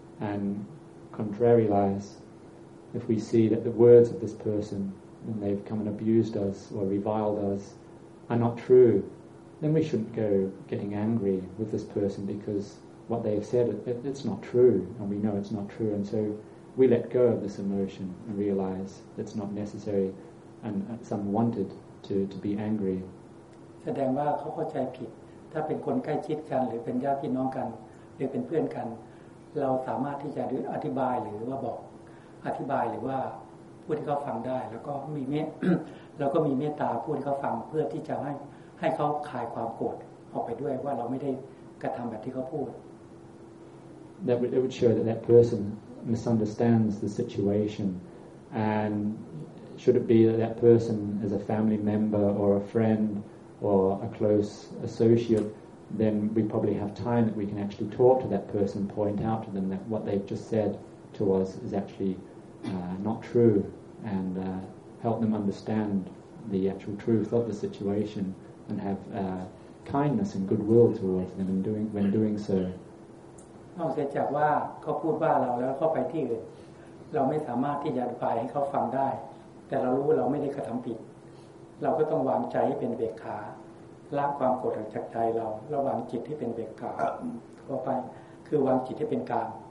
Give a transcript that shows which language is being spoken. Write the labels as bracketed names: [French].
[English] and contrary lies if we see that the words of this person when they've come and abused us or reviled us are not trueThen we shouldn't go getting angry with this person because what they have said it's not true, and we know it's not true, and so we let go of this emotion and realize it's not necessary, and it's unwanted to be angry. [Thai] แสดงว่าเขาเข้าใจผิดถ้าเป็นคนใกล้ชิดกันหรือเป็นญาติพี่น้องกันหรือเป็นเพื่อนกันเราสามารถที่จะอธิบายหรือว่าบอกอธิบายหรือว่าพูดให้เขาฟังได้แล้วก็มีเมตแล้วก็มีเมตตาพูดให้เขาฟังเพื่อที่จะให้เขาคลายความโกรธออกไปด้วยว่าเราไม่ได้กระทำแบบที่เขาพูด [English] That would, it would show that that person misunderstands the situation and should it be that that person is a family member or a friend or a close associate then we probably have time that we can actually talk to that person point out to them that what they've just said to us is actually not true and help them understand the actual truth of the situationAnd have kindness and goodwill towards them when doing so. [Thai] นอกจากว่าเขาพูดว่าเราแล้วเขาไปที่อื่นเราไม่สามารถที่จะอธิบายให้เขาฟังได้แต่เรารู้เราไม่ได้กระทำผิดเราก็ต้องวางใจให้เป็นเบกขาละความโกรธจากใจเราระวังจิตที่เป็นเบกขาเข้าไปคือวางจิตให้เป็นกลาง